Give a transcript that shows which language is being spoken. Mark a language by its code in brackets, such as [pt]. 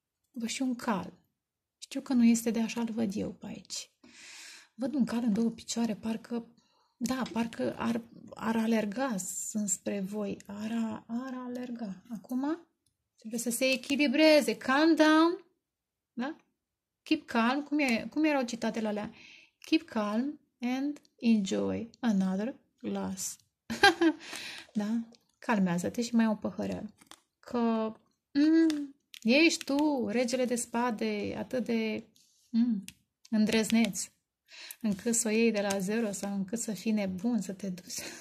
[ro] Văd și un cal. Știu că nu este de așa, îl văd eu pe aici. Văd un cal în două picioare, parcă, da, parcă ar alerga înspre voi. Ar alerga. Acum trebuie să se echilibreze. [en] Calm down! [ro] Da? [en] Keep calm. [ro] Cum erau citatele alea? [en] Keep calm and enjoy another glass. [ro] Da? Calmează-te și mai o păhărel. Că ești tu, regele de spade, atât de îndrăzneț, încât să o iei de la zero sau încât să fii nebun, să te duci.